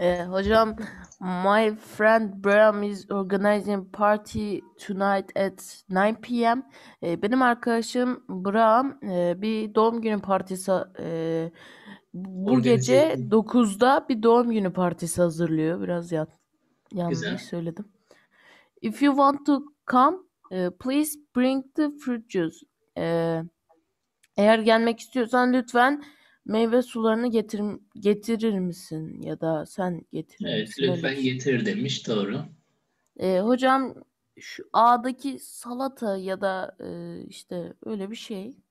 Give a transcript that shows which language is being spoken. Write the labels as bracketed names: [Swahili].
[Turkish] Hocam, [English] my friend Bram is organizing party tonight at 9 p.m. [Turkish] Benim arkadaşım Bram bir doğum günü partisi bu gece 9'da bir doğum günü partisi hazırlıyor. Biraz yanlış güzel söyledim. [English] If you want to come, please bring the fruit juice. [Turkish] Eğer gelmek istiyorsan lütfen meyve sularını getirir misin? Ya da sen getirir evet, misin? Evet, lütfen getir demiş. Doğru. Hocam, şu A'daki salata ya da işte öyle bir şey.